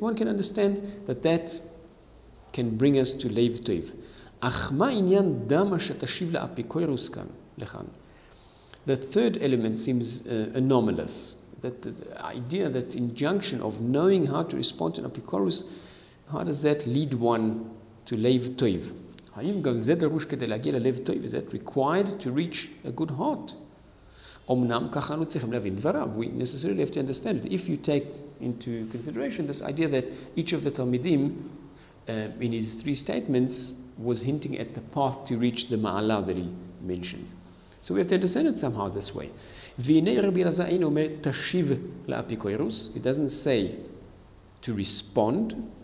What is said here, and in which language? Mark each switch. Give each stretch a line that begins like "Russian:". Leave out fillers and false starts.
English: One can understand that that can bring us to lev toiv.
Hebrew: Ach ma inyan dama shetashiv la'apikoyrus kan lechan.
English: The third element seems anomalous. That the idea, that injunction of knowing how to respond to an apikoyrus, how does that lead one to lev toiv?
Hebrew: האם גם זה דרוש כדי להגיע ללב טוב?
English: Is that required to reach a good heart?
Hebrew: אמנם ככה אנו צריכים להבין דבריו.
English: We necessarily have to understand it. If you take into consideration this idea that each of the Talmidim, in his three statements, was hinting at the path to reach the ma'ala that he mentioned. So we have to understand it somehow this way.
Hebrew: והנה רבי אלעזר אין אומר תשיב לאפיקורוס.
English: It doesn't say to respond.